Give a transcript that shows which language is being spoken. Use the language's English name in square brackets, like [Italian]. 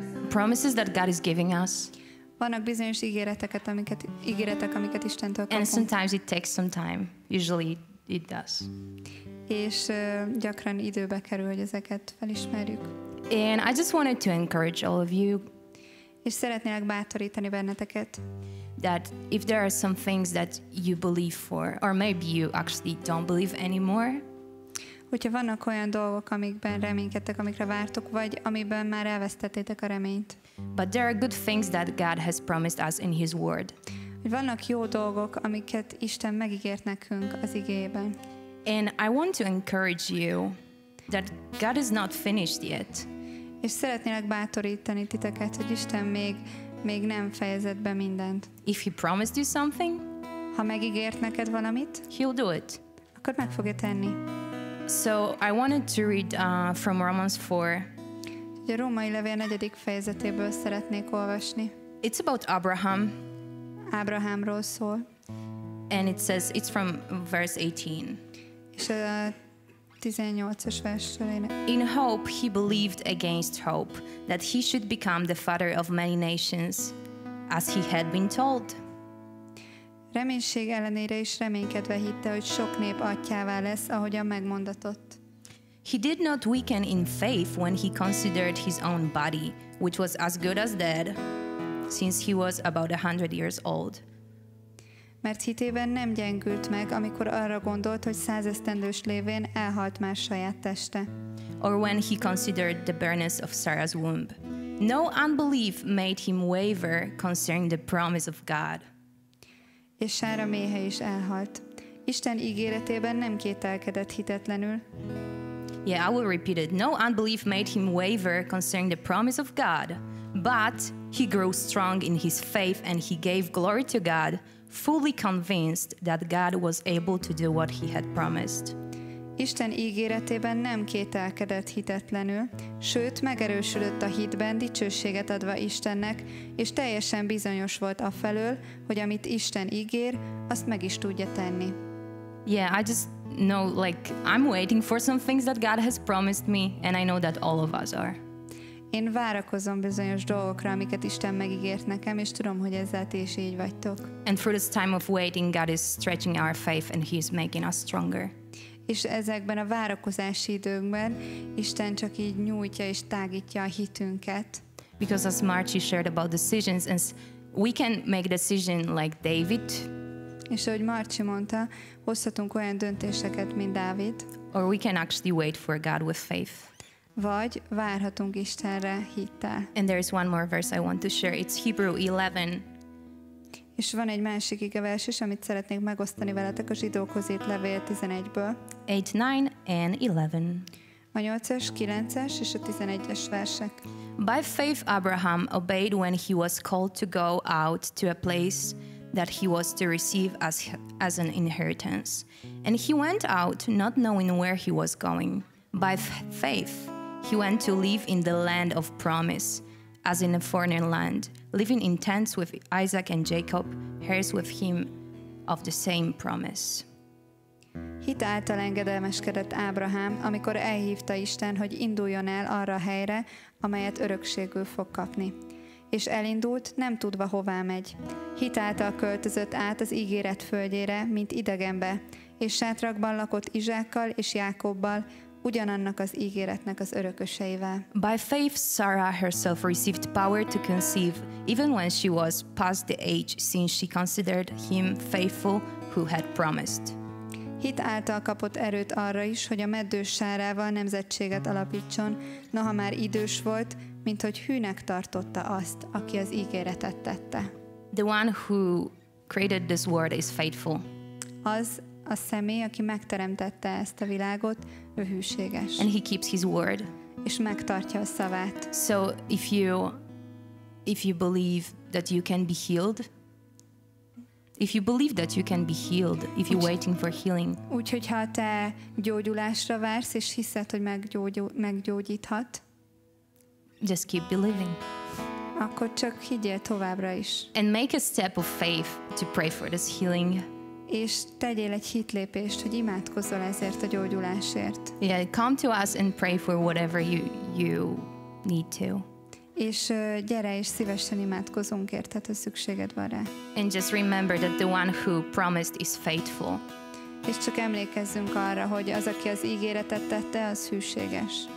[English] Promises that God is giving us. [Hungarian] Vannak bizonyos ígéretek, amiket Istentől kapunk. [English] And sometimes it takes some time. Usually it does. [Hungarian] És gyakran időbe kerül, hogy ezeket felismerjük. [English] And I just wanted to encourage all of you. [Hungarian] És szeretnélek bátorítani benneteket. [English] That if there are some things that you believe for, or maybe you actually don't believe anymore. [Hungarian] Hogyha vannak olyan dolgok, amikben reménykedtek, amikre vártok, vagy amiben már elvesztettétek a reményt. [English] But there are good things that God has promised us in His Word. [Hungarian] Vannak jó dolgok, amiket Isten megígért nekünk az igében. [English] And I want to encourage you that God is not finished yet. [Hungarian] És szeretnélek bátorítani titeket, hogy Isten még nem fejezett be mindent. [English] If He promised you something, [Hungarian] ha megígért neked valamit, [English] He'll do it. [Hungarian] Akkor meg fogja tenni. [English] So I wanted to read from Romans 4. [Hungarian] A római levél 4. fejezetéből szeretnék olvasni. [English] It's about Abraham. [Hungarian] Abrahamról szól. [English] And it says, it's from verse 18. [Hungarian] És a 18-as versről. [English] In hope he believed against hope that he should become the father of many nations, as he had been told. [Hungarian] Reménység ellenére is reménykedve hitte, hogy sok nép atyává lesz, ahogyan megmondatott. [English] He did not weaken in faith when he considered his own body, which was as good as dead, since he was about 100 years old. [Hungarian] mert hitében nem gyengült meg, amikor arra gondolt, hogy százesztendős lévén elhalt már saját teste. [English] Or when he considered the barrenness of Sarah's womb. No unbelief made him waver concerning the promise of God. [Hungarian] És Sára méhe is elhalt. Isten ígéretében nem kételkedett hitetlenül. [English] Yeah, I will repeat it. No unbelief made him waver concerning the promise of God, but he grew strong in his faith and he gave glory to God, fully convinced that God was able to do what he had promised. [Hungarian] Isten ígéretében nem kételkedett hitetlenül, sőt megerősödött a hitben, dicsőséget adva Istennek, és teljesen bizonyos volt afelől, hogy amit Isten ígér, azt meg is tudja tenni. [English] Yeah, I just know, like, I'm waiting for some things that God has promised me, and I know that all of us are. [Hungarian] Én várakozom bizonyos dolgokra, amiket Isten megígért nekem, és tudom, hogy ezzel ti is így vagytok. [English] And through this time of waiting, God is stretching our faith, and He's making us stronger. [Hungarian] És ezekben a várakozási időkben Isten csak így nyújtja és tágítja a hitünket. [English] Because as Marci shared about decisions, we can make a decision like David. [Hungarian] És ahogy Marci mondta, hozhatunk olyan döntéseket, mint Dávid. [English] Or we can actually wait for God with faith. [Hungarian] Vagy várhatunk Istenre hittel. [English] And there is one more verse I want to share. It's Hebrew 11. [Hungarian] És van egy másik igevers is, amit szeretnék megosztani veletek a Zsidókhoz írt levél 11-ből. [English] 8, 9 and 11. [Hungarian] A 8-es, 9-es és a 11-es versek. [English] By faith Abraham obeyed when he was called to go out to a place that he was to receive as an inheritance. And he went out not knowing where he was going. By faith he went to live in the land of promise, as in a foreign land, living in tents with Isaac and Jacob, heirs with him of the same promise. [Hungarian] Hit által engedelmeskedett Ábrahám, amikor elhívta Isten, hogy induljon el arra a helyre, amelyet örökségül fog kapni. És elindult, nem tudva hová megy. Hit által költözött át az ígéret földjére, mint idegenbe, és sátrakban lakott Izsákkal és Jákobbal, ugyanannak az ígéretnek az örököseivel. [English] By faith Sarah herself received power to conceive, even when she was past the age, since she considered him faithful who had promised. [Hungarian] Hit által kapott erőt arra is, hogy a meddő Sárával nemzetséget alapítson, noha már idős volt, mint hogy hűnek tartotta azt, aki az ígéretet tette. [English] The one who created this world is faithful. [Hungarian] Az a személy, aki megteremtette ezt a világot, ő hűséges. [English] And he keeps his word. [Hungarian] És megtartja a szavát. [English] So if you believe that you can be healed, if you believe that you can be healed, if you're waiting for healing. [Hungarian] Úgyhogy ha te gyógyulásra vársz és hiszed, hogy meggyógyíthat, [English] just keep believing. [Hungarian] Akkor csak higgyél továbbra is. [English] And make a step of faith to pray for this healing. [Hungarian] És tegyél egy hitlépést, hogy imádkozzol ezért a gyógyulásért. [English] Yeah, come to us and pray for whatever you need to. [Hungarian] És gyere és szívesen imádkozunk érted, ha szükséged van rá. [English] And just remember that the one who promised is faithful. [Hungarian] És csak emlékezzünk arra, hogy az, aki az ígéretet tette, az hűséges.